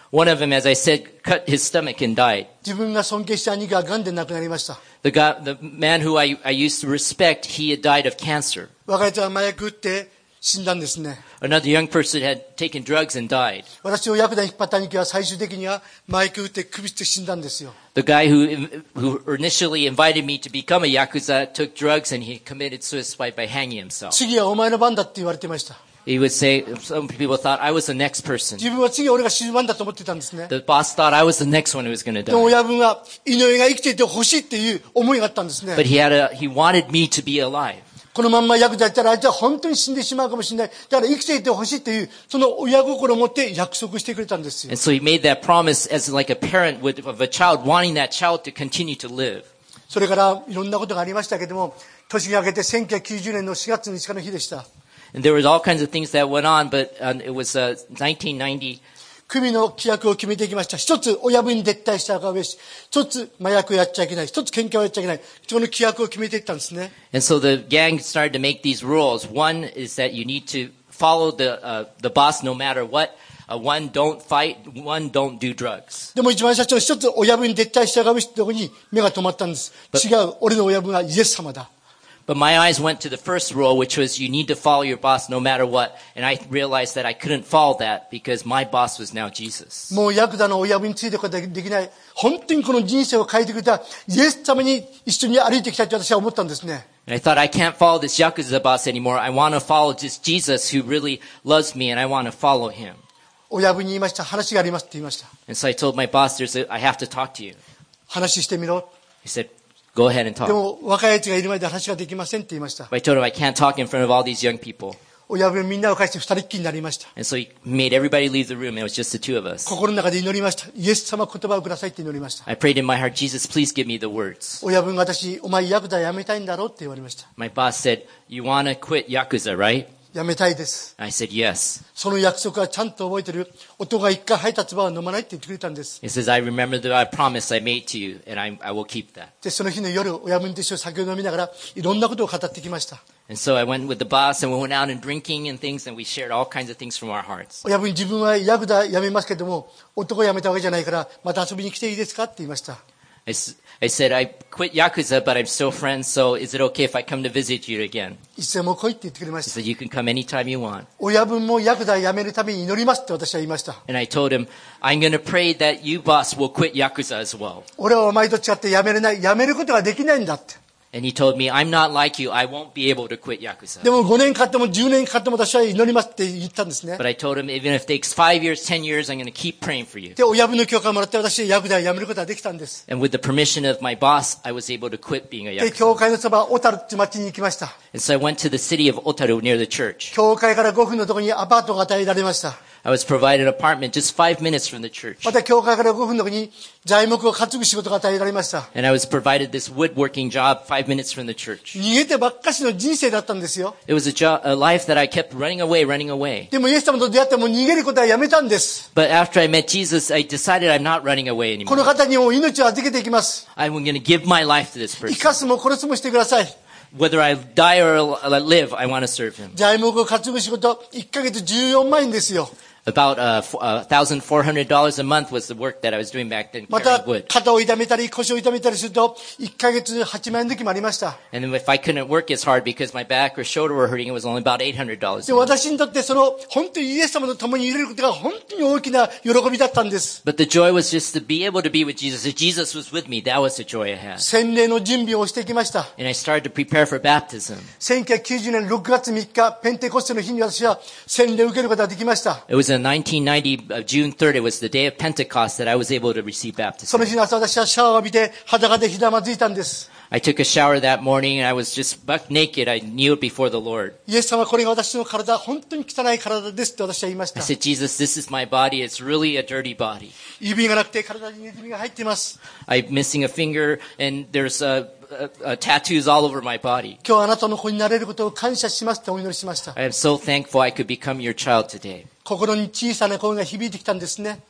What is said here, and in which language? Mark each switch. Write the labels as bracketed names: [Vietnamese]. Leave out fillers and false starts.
[English] One of them, as I said, cut his stomach and died. [Japanese] 自分が尊敬した兄が癌で亡くなりました。 [English] The man who I used to respect, he had died of cancer. [Japanese] 若い人は麻薬打って、死んだんですね。 [English] Another young person had taken drugs and died. [Japanese] 私を薬剤引っ張った兄貴は最終的には麻薬打って首吊って死んだんですよ。 [English] The guy who initially invited me to become a yakuza took drugs and he committed suicide by hanging himself. [Japanese] 次はお前の番だって言われてました。 [English] He would say, some people thought I was the next person. [Japanese] 自分は次俺が死ぬ番だと思ってたんですね。 [English] The boss thought I was the next one who was going to die. [Japanese] でも親分は井上が生きていてほしいっていう思いがあったんですね。 [English] But he wanted me to be alive. [Japanese] このまんま薬剤やったらあいつは本当に死んでしまうかもしれない。だから生きていてほしいっていうその親心を持って約束してくれたんですよ。 [English] And so he made that promise as like a parent would of a child wanting that child to continue to live. [Japanese] それからいろんなことがありましたけれども、年が明けて1990年の4月2日の日でした。 [English] And there was all kinds of things that went on, but it was 1990. [Japanese] 組の規約を決めていきました。一つ親分に絶対したがべし、一つ麻薬をやっちゃいけない、一つ喧嘩をやっちゃいけない。その規約を決めていったんですね。 [English] And so the gang started to make these rules. One is that you need to follow the boss no matter what. One don't fight. One don't do drugs. [Japanese] でも一番最初一つ親分に絶対したがべしってところに目が止まったんです。違う、俺の親分はイエス様だ。 [English] But my eyes went to the first rule, which was you need to follow your boss no matter what. And I realized that I couldn't follow that because my boss was now Jesus. [Japanese] もうヤクザの親分についてことはできない。本当にこの人生を変えてくれたイエス様に一緒に歩いていきたいと私は思ったんですね。 [English] And I thought I can't follow this Yakuza boss anymore. I want to follow this Jesus who really loves me and I want to follow him. [Japanese] 親分に言いました。話がありますって言いました。 [English] And so I told my boss, I have to talk to you. [Japanese] 話してみろ。 [English] He said,Go ahead and talk. [Japanese] でも若い奴がいる前で話ができませんって言いました。 [English] But I told him I can't talk in front of all these young people. [Japanese] 親分みんなを返して二人っきりになりました。 [English] And so he made everybody leave the room. It was just the two of us. [Japanese] 心の中で祈りました。イエス様言葉をくださいって祈りました。 [English] I prayed in my heart, Jesus, please give me the words. [Japanese] 親分が私、お前ヤクザ辞めたいんだろうって言われました。 [English] My boss said, you wanna quit Yakuza, right? [Japanese] 辞めたいです。 [English] I said yes. [Japanese] その約束はちゃんと覚えてる。音が一回吐いた唾は飲まないって言ってくれたんです。 [English] He says I remember the promise I made to you, and I will keep that. [Japanese] でその日の夜、親分と一緒に酒を飲みながらいろんなことを語ってきました。 [English] And so I went with the boss, and we went out and drinking and things, and we shared all kinds of things from our hearts. [Japanese] 親分自分はヤクザ辞めますけども、男辞めたわけじゃないからまた遊びに来ていいですかって言いました。 [English] I said I quit Yakuza, but I'm still friends. So is it okay if I come to visit you again? [Japanese] いつでも来いって言ってくれました。 [English] He said you can come anytime you want. [Japanese] 親分もヤクザ辞めるために祈りますって私は言いました。 [English] And I told him I'm going to pray that you boss will quit Yakuza as well. [Japanese] 俺はお前と違って辞めれない、辞めることができないんだって。 [English] And he told me I'm not like you. I won't be able to quit Yakuza. [Japanese] でも5年かっても10年かっても私は祈りますって言ったんですね。 [English] But I told him even if it takes 5 years, 10 years, I'm going to keep praying for you. [Japanese] で親分の許可をもらって私はヤクザを辞めることができたんです。 [English] And with the permission of my boss, I was able to quit being a Yakuza. [Japanese] で教会のそば小樽という町に行きました。 [English] And so I went to the city of Otaru near the church. [Japanese] 教会から5分のところにアパートが与えられました。 [English] I was provided an apartment just 5 minutes from the church. [Japanese] また教会から5分のところに材木を担ぐ仕事が与えられました。 [English] And I was provided this woodworking job 5 minutes from the church. [Japanese] 逃げてばっかしの人生だったんですよ。 [English] It was a life that I kept running away. [Japanese] でもイエス様と出会っても逃げることはやめたんです。 [English] But after I met Jesus, I decided I'm not running away anymore. [Japanese] この方にも命を預けていきます。 [English] I'm going to give my life to this person. [Japanese] 生かすも殺すもしてください。 [English] Whether I die or live, I want to serve him. [Japanese] 材木を担ぐ仕事1ヶ月14万円ですよ。 [English] About $1,400 a month was the work that I was doing back then. [Japanese] また肩を痛めたり腰を痛めたりすると1ヶ月8万円の時もありました。 [English] And then if I couldn't work as hard because my back or shoulder were hurting, it was only about $800. [Japanese] で私にとってその本当にイエス様と共にいれることが本当に大きな喜びだったんです。 [English] But the joy was just to be able to be with Jesus. If Jesus was with me, that was the joy I had. [Japanese] 洗礼の準備をしていきました。 [English] And I started to prepare for baptism. [Japanese] 1990年6月3日ペンテコステの日に私は洗礼を受けることができました。 [English] It was1990 June 3rd, it was the day of Pentecost that I was able to receive baptism. [Japanese] その日の朝、私はシャワーを浴びて裸でひざまずいたんです。 [English] I took a shower that morning and I was just buck naked. I kneeled before the Lord. [Japanese] イエス様、これが私の体、本当に汚い体ですって私は言いました。 [English] I said, Jesus, this is my body. It's really a dirty body. [Japanese] 指がなくて体にネズミが入っています。 [English] I'm missing a finger and there's a tattoos all over my body. [Japanese] 今日あなたの子になれることを感謝しますってお祈りしました。 [English] I am so thankful I could become your child today. [Japanese] 心に小さな声が響いてきたんですね。